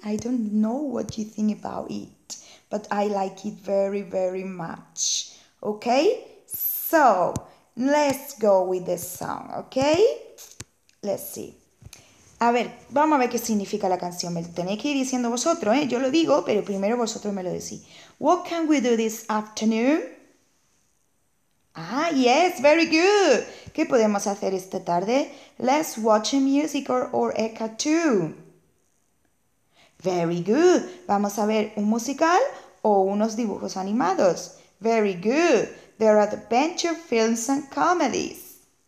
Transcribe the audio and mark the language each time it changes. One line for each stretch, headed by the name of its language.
English: I don't know what you think about it, but I like it very, very much. Okay, so let's go with the song, okay? Let's see.
Spanish: A ver, vamos a ver qué significa la canción. Me lo tenéis que ir diciendo vosotros, ¿eh? Yo lo digo, pero primero vosotros me lo decís.
English: What can we do this afternoon? Ah, yes, very good.
Spanish: ¿Qué podemos hacer esta tarde?
English: Let's watch a musical or a cartoon. Very good.
Spanish: Vamos a ver un musical o unos dibujos animados.
English: Very good. There are adventure films and comedies.